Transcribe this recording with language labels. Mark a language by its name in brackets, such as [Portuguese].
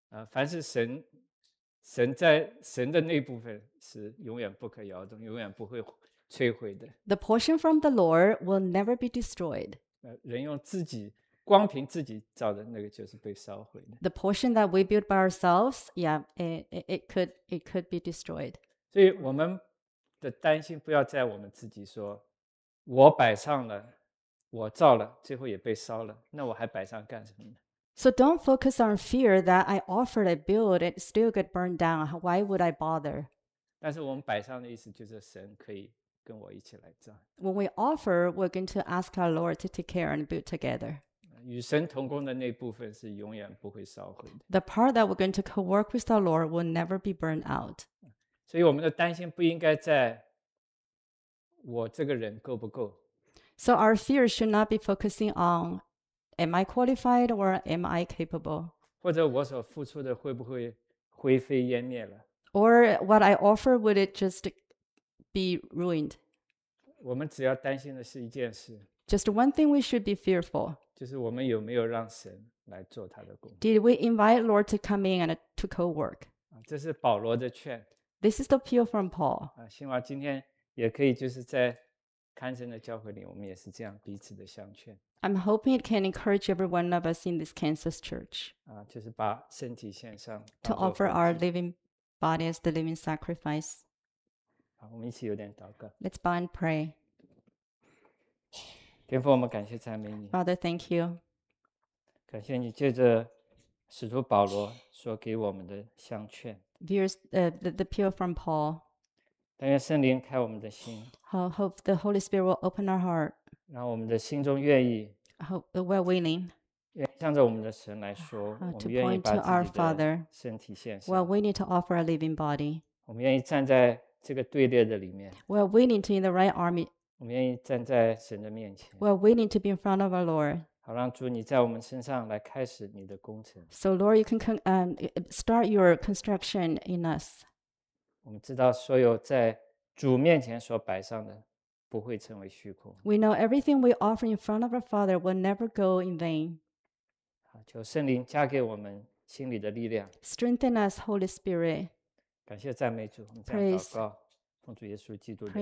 [Chinese] 凡是神在神的那部分是永远不可摇动，永远不会。摧毁的。 [English] The portion from the Lord will never be destroyed. [Chinese] 人用自己光凭自己造的那个就是被烧毁的。 [English] The portion that we build by ourselves, it could be destroyed. [Chinese] 所以我们的担心不要在我们自己说，我摆上了，我造了，最后也被烧了，那我还摆上干什么呢？ [English] So don't focus on fear that I offered a build, it still get burned down. Why would I bother? [Chinese] 但是我们摆上的意思就是神可以。跟我一起来做。 [English] When we offer, we're going to ask our Lord to take care and build together. [Chinese] 与神同工的那部分是永远不会烧毁的。 [English] The part that we're going to co-work with our Lord will never be burned out. [Chinese] 所以我们的担心不应该在我这个人够不够。 [English] So our fear should not be focusing on, am I qualified or am I capable? [Chinese] 或者我所付出的会不会灰飞烟灭了。 [English] Or what I offer, would it just... be ruined. [Chinese] 我们只要担心的是一件事。 [English] Just one thing we should be fearful. [Chinese] 就是我们有没有让神来做他的工。 [English] Did we invite Lord to come in and to co-work? [Chinese] 这是保罗的劝。 [English] This is the appeal from Paul. [Chinese] 希望今天也可以就是在看神的教会里我们也是这样彼此的相劝。 [English] I'm hoping it can encourage every one of us in this Kansas church. [Chinese] 就是把身体献上。 [English] To offer our living body as the living sacrifice. [Chinese] 我们一起有点祷告。 [English] Let's bow and pray. [Chinese] 天父，我们感谢赞美你。 [English] Father, thank you. [Chinese] 感谢你借着使徒保罗所给我们的相劝。 [English] Here's the appeal from Paul. [Chinese] 但愿圣灵开我们的心。 [English] I hope the Holy Spirit will open our heart. [Chinese] 让我们的心中愿意。 [English] I hope we're willing. [Chinese] 愿向着我们的神来说，我们愿意把自己的身体献上。 [English] Well, we need to offer a living body. [Chinese] 我们愿意站在这个对列的里面。 [English] We are willing to in the right army. [Chinese] 我们愿意站在神的面前。 [English] We are willing to be in front of our Lord. [Chinese] 好让主你在我们身上来开始你的工程。 [English] So Lord, you can start your construction in us. [Chinese] 我们知道所有在主面前所摆上的不会成为虚空。 [English] We know everything we offer in front of our Father will never go in vain. [Chinese] 求圣灵加给我们心里的力量。 [English] Strengthen us, Holy Spirit. [Chinese] 感谢赞美主，我们这样祷告，奉主耶稣基督的名。